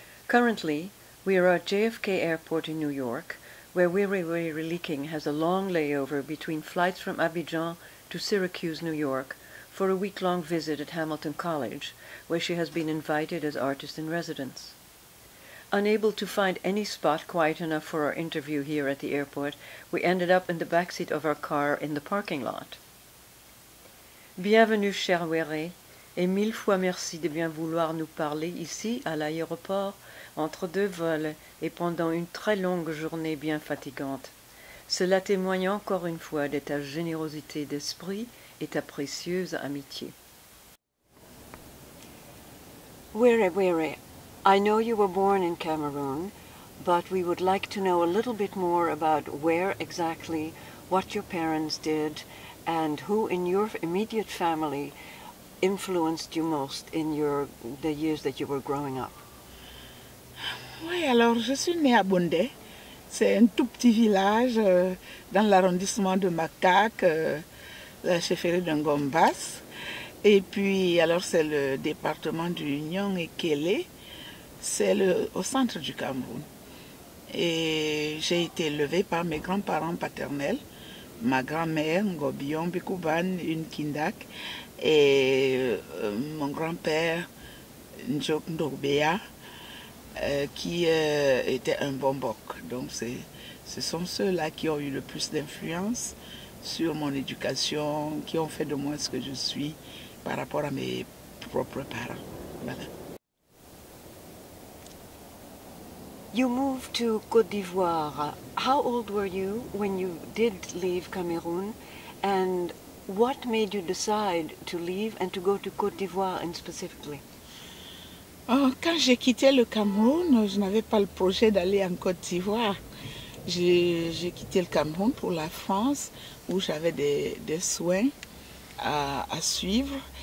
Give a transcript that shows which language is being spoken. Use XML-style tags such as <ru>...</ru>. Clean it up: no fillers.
<en>Currently, we are at JFK Airport in New York, where Weary Weary Leaking has a long layover between flights from Abidjan to Syracuse, New York, for a week-long visit at Hamilton College, where she has been invited as artist in residence. Unable to find any spot quiet enough for our interview here at the airport, we ended up in the backseat of our car in the parking lot.</en> <fr>Bienvenue, chère Weary, et mille fois merci de bien vouloir nous parler ici à l'aéroport, entre deux vols et pendant une très longue journée bien fatigante. Cela témoigne encore une fois de ta générosité d'esprit et ta précieuse amitié.</fr> <en>Weary Weary, I know you were born in Cameroon, but we would like to know a little bit more about where exactly, what your parents did, and who in your immediate family influenced you most in the years that you were growing up.</en> <fr>Oui, alors je suis née à Bondé. C'est un tout petit village dans l'arrondissement de Makak, la chefferie de Ngombas. Et puis, alors c'est le département du Nyong et Kélé. C'est au centre du Cameroun. Et j'ai été élevée par mes grands-parents paternels, ma grand-mère, Ngobion Bikouban, une Kindak, et mon grand-père, Ndjok Ndourbéa, qui était un bombok. Donc ce sont ceux-là qui ont eu le plus d'influence sur mon éducation, qui ont fait de moi ce que je suis par rapport à mes propres parents. Voilà.</fr> <en>You moved to Côte d'Ivoire. How old were you when you did leave Cameroon? And what made you decide to leave and to go to Côte d'Ivoire in specifically?</en> <fr>Quand j'ai quitté le Cameroun, je n'avais pas le projet d'aller en Côte d'Ivoire. J'ai quitté le Cameroun pour la France, où j'avais des soins à suivre.</fr>